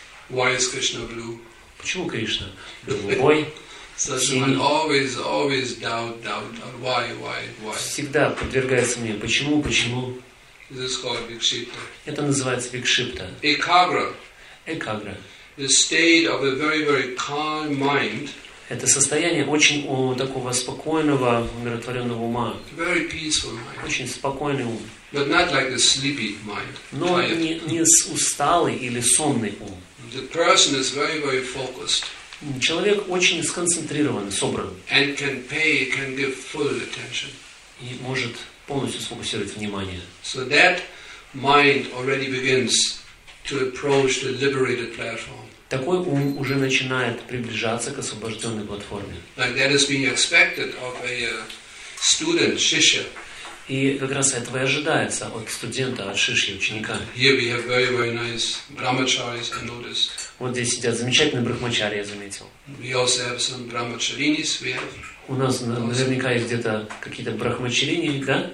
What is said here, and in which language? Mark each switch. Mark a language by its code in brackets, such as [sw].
[en] Why is Krishna blue? [ru] Почему Кришна голубой? [en] Such a mind always doubt. Why? [ru] Всегда подвергается мне. Почему? [en] This is called Vikshipta. [ru] Это называется Викшипта. Экагра. Экагра. [en] The state of a very, very calm mind. [ru] Это состояние очень такого спокойного, умиротворенного ума. [en] Very peaceful mind. [ru] Очень спокойный ум. [en] But not like a sleepy mind. [ru] Но не усталый или сонный ум. [en] The person is very, very focused. [ru] Человек очень сконцентрирован, собран. [en] And can give full attention. [ru] И может полностью сфокусировать внимание. [en] So that mind already begins to approach the liberated platform. [ru] Такой ум уже начинает приближаться к освобожденной платформе. [en] Like that is being expected of a student, shishya. [ru] И как раз этого и ожидается от студента, от шишьи, ученика. [en] Here we have very, very nice brahmacharis, I noticed. [ru] Вот здесь сидят замечательные брахмачари, я заметил. [en] We also have some brahmacharinis. We have. [ru] У нас наверняка есть где-то какие-то брахмачарини, да?